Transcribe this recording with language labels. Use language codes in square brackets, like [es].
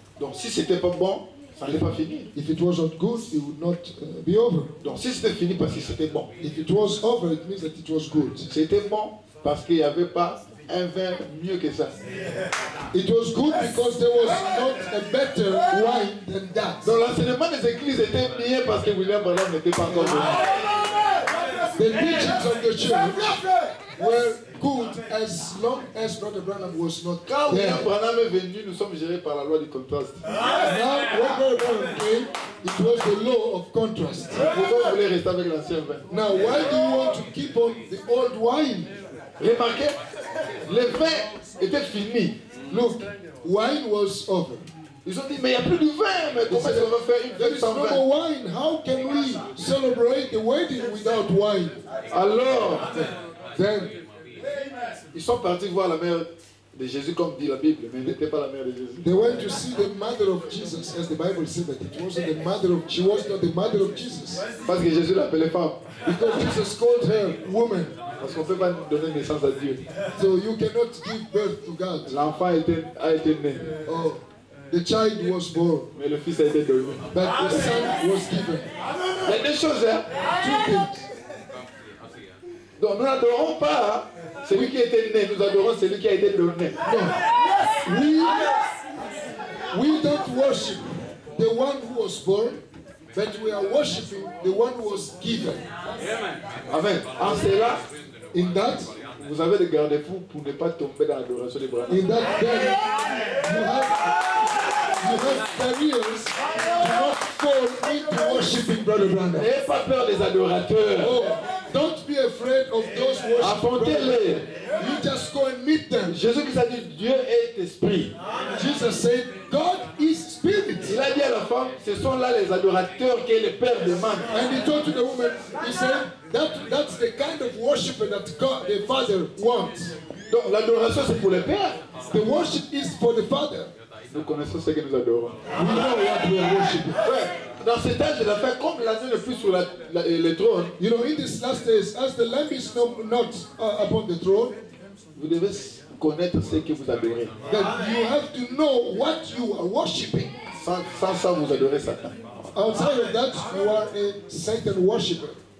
[fr] Donc si c'était pas bon, ça n'allait pas finir. [en] If it was not good, it would not be over. [fr] Donc si c'était fini parce que c'était bon. [en] If it was over, it means that it was good. [fr] C'était bon parce qu'il n'y avait pas un vin mieux que ça. [en] It was good because there was not a better wine than that. [fr] Donc l'enseignement des églises était mieux parce que William Branham n'était pas encore venu. [en] The teachings of the church were good as long as Brother Branham was not there. [fr] Quand William Branham est venu, nous sommes gérés par la loi du contraste. [en] Now, when Brother Branham came, it was the law of contrast. [fr] Pourquoi vous voulez rester avec l'ancien vin? [en] Now, why do you want to keep on the old wine? [fr] Remarquez, le vin était fini. [en] Look, wine was over. [fr] Ils ont dit, mais il n'y a plus de vin, mais comment ils vont faire une fête sans vin? [en] No wine. How can we celebrate the wedding without wine? [fr] Alors, [en] then, [fr] ils sont partis voir la mère de Jésus comme dit la Bible, mais elle n'était pas la mère de Jésus. [en] They went to see the mother of Jesus, as the Bible said that it wasn't the mother of, she was not the mother of Jesus. [fr] Parce que Jésus l'appelait femme. [en] Because Jesus called her woman. [fr] Parce qu'on ne peut pas donner naissance à Dieu. [en] So you cannot give birth to God. [fr] L'enfant a été né. [en] Oh. The child was born. [fr] Mais le fils a été donné. [en] But the son was given. [fr] Il y a deux choses, hein? [en] Two things. [fr] Donc nous n'adorons pas celui qui a été né, nous adorons celui qui a été donné. [en] No. We don't worship the one who was born, but we are worshiping the one who was given. [fr] Amen. En cela, [en] in that, [fr] vous avez le garde-fou pour ne pas tomber dans l'adoration des bras. [en] In that then, [fr] n'ayez pas peur des adorateurs. [en] Oh, don't be afraid of those worshiping. [fr] Affrontez-les. [en] You just go and meet them. [fr] Jésus Christ a dit Dieu est esprit. [en] Jesus said God is spirit. [fr] Il a dit à la femme, ce sont là les adorateurs que le Père demande. [en] And he told to the woman, he said that's the kind of worshiper that God the Father wants. [fr] Donc l'adoration c'est pour le Père. [en] The worship is for the Father. [fr] Nous connaissons ce que nous adorons. [en] We know what we are worshiping. [fr] Dans ces temps, je l'ai fait comme l'agneau ne plus sur le trône. [en] You know, in these last days, as the lamb is not upon the throne, [fr] vous devez connaître ce que vous adorez. [en] That you have to know what you are worshiping. [fr] Sans ça, vous adorez Satan. [en] Outside of that, you are a Satan worshiper.